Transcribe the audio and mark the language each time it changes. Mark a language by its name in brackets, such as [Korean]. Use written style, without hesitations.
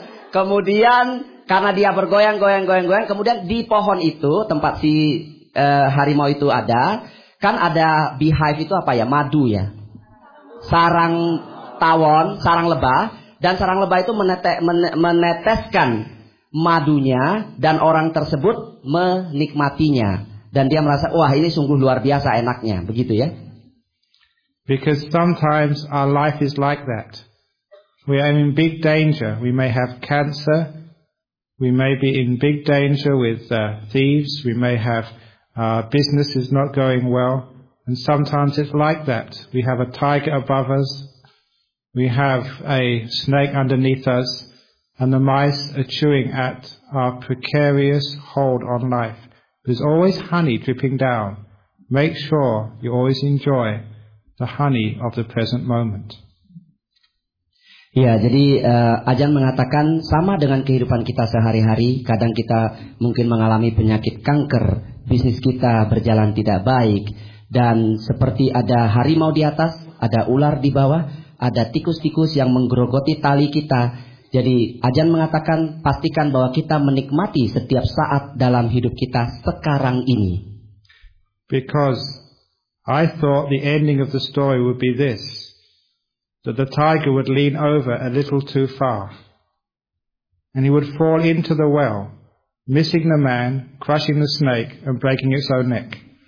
[Indonesian] Kemudian karena dia bergoyang-goyang, kemudian di pohon itu tempat si harimau itu ada, kan ada beehive itu apa ya, madu ya, sarang tawon, sarang lebah, dan sarang lebah itu meneteskan madunya dan orang tersebut menikmatinya dan dia merasa wah ini sungguh luar biasa enaknya, begitu ya. [English] Because sometimes our life is like that. We are in big danger. We may have cancer. We may be in big danger with thieves. We may have business is not going well, and sometimes it's like that. We have a tiger above us, we have a snake underneath us, and the mice are chewing at our precarious hold on life. There's always honey dripping down. Make sure you always enjoy the honey of the present moment. [Indonesian] Ya, jadi Ajahn mengatakan sama dengan kehidupan kita sehari-hari, kadang kita mungkin mengalami penyakit kanker, bisnis kita berjalan tidak baik, dan seperti ada harimau di atas, ada ular di bawah, ada tikus-tikus yang menggerogoti tali kita. Jadi Ajahn mengatakan pastikan bahwa kita menikmati setiap saat dalam hidup kita sekarang ini. [English] Because I thought the ending of the story would be this. That the tiger would lean over a little too far. And he would fall into the well, missing the man, crushing the snake, and breaking its own neck.